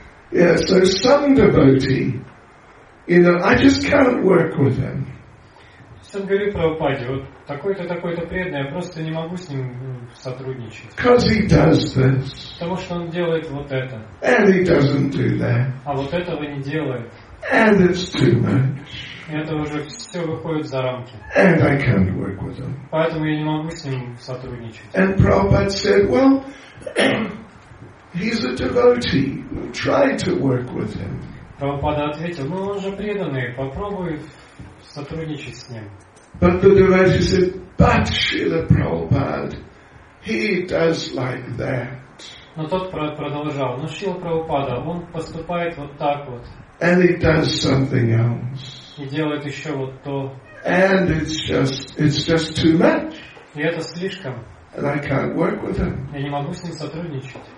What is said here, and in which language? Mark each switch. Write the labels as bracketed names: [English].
[English] Yeah, so some devotee, you know, I just can't work with them. [Russian] Он говорит про Прабхупаде, вот такой-то, такой-то преданный, я просто не могу с ним сотрудничать. [English] Because he does this. [Russian] Потому что он делает вот это. [English] And he doesn't do that. [Russian] А вот этого не делает. [English] And it's too much. [Russian] И это уже все выходит за рамки. [English] And I can't work with him. [Russian] Поэтому я не могу с ним сотрудничать. [English] And Prabhupada said, well, he's a devotee. Try to work with him. [Russian] Прабхупада ответил, ну он же преданный, попробуй сотрудничать с ним. [English] But the devotee said, but Srila Prabhupada, he does like that. [Russian] Но тот продолжал, но Шрила Прабхупада, он поступает вот так вот. [English] And he does something else. [Russian] И делает еще вот то. [English] And it's just too much. [Russian] И это слишком. [English] And I can't work with him. [Russian] Я не могу с ним сотрудничать.